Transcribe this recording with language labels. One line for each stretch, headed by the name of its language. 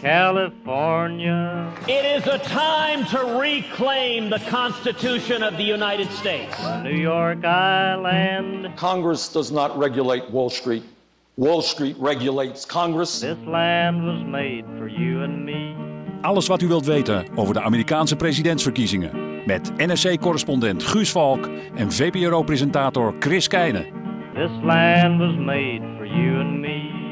English: California. It is a time to reclaim the Constitution of the United States. New York Island. Congress does not regulate Wall Street. Wall Street regulates Congress. This land was made for you and me.
Dutch: Alles wat u wilt weten over de Amerikaanse presidentsverkiezingen. Met NRC-correspondent Guus Valk en VPRO-presentator Chris Keijnen.
English: This land was made for you and me.